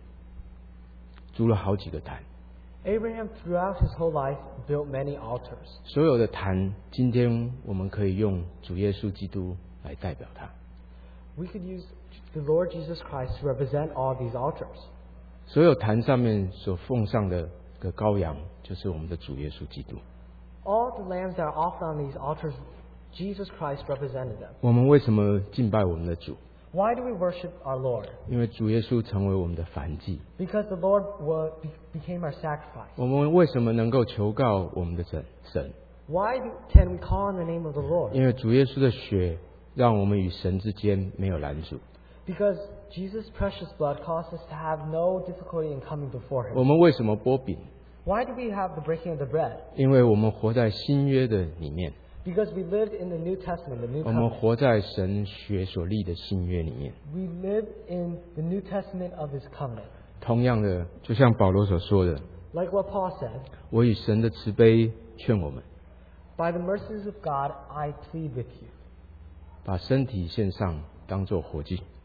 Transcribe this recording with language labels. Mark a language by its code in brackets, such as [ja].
[zh] 亚伯拉罕一生筑了好几个坛。 [en] Abraham throughout his whole life built many altars. [zh] 所有的坛今天我们可以用主耶稣基督来代表它。 [en] We could use the Lord Jesus Christ to represent all these altars. [zh] 所有坛上面所奉上的羔羊就是我们的主耶稣基督。 [en] All the lambs that are offered on these altars, Jesus Christ represented them. [zh] 我们为什么敬拜我们的主? [en] Why do we worship our Lord? [zh] 因为主耶稣成为我们的燔祭。 [en] Because the Lord became our sacrifice. [zh] 我们为什么能够求告我们的神? [en] Why can we call on the name of the Lord? [zh] 因为主耶稣的血让我们与神之间没有拦阻。 [en] Because Jesus' precious blood caused us to have no difficulty in coming before Him. [zh] 我们为什么擘饼? [en] Why do we have the breaking of the bread? [zh] 因为我们活在新约的里面。 [en] Because we lived in the New Testament, the New Covenant. [zh] 我们活在神学所立的新约里面。 [en] We live in the New Testament of His covenant. [zh] 同样的, 就像保罗所说的, [en] like what Paul said, [zh] 我与神的慈悲劝我们, [en] by the mercies of God, I plead with you. [zh] 把身体献上当作活祭,